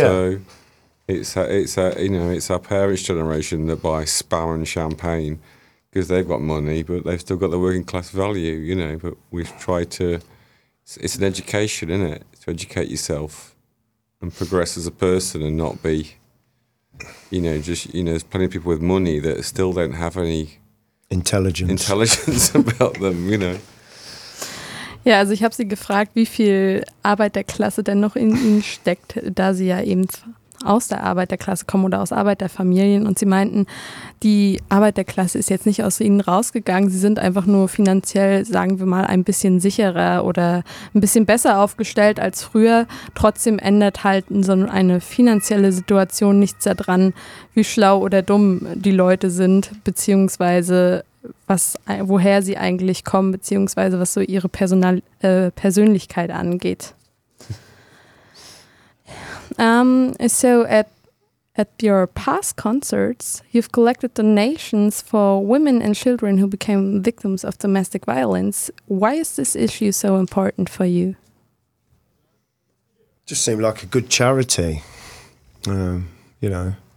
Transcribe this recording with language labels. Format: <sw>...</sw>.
<en>So it's you know, it's our parents' generation that buy Spam and champagne because they've got money, but they've still got the working class value, you know. But we've tried to, it's an education, isn't it? To educate yourself and progress as a person and not be, you know, just, you know, there's plenty of people with money that still don't have any intelligence about them, you know.</en> <de>Ja, also ich habe sie gefragt, wie viel Arbeit der Klasse denn noch in ihnen steckt, da sie ja eben aus der Arbeit der Klasse kommen oder aus Arbeit der Familien. Und sie meinten, die Arbeit der Klasse ist jetzt nicht aus ihnen rausgegangen. Sie sind einfach nur finanziell, sagen wir mal, ein bisschen sicherer oder ein bisschen besser aufgestellt als früher. Trotzdem ändert halt so eine finanzielle Situation nichts daran, wie schlau oder dumm die Leute sind, beziehungsweise was, woher sie eigentlich kommen, beziehungsweise was so ihre Persönlichkeit angeht.</de> <en>So at your past concerts, you've collected donations for women and children who became victims of domestic violence. Why is this issue so important for you? Just seemed like a good charity, you know.</en>